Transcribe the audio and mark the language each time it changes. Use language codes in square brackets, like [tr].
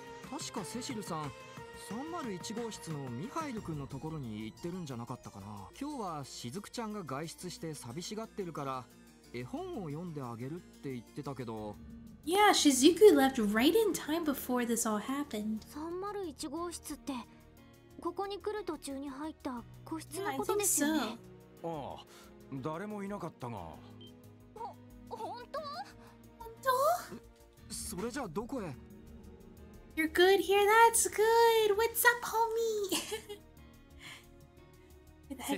[ja] 確かセシルさん、301号室のミハイル君のところに行ってるんじゃなかったかな。今日はしずくちゃんが外出して寂しがってるから絵本を読んであげるって言ってたけど。 [en] Yeah, Shizuku left right in time before this all happened. [ja] 301号室ってここに来る途中に入った個室のことですよね。ああ、誰もいなかったが。本当？本当？それじゃあどこへ [en] You're good here, that's good! What's up, homie?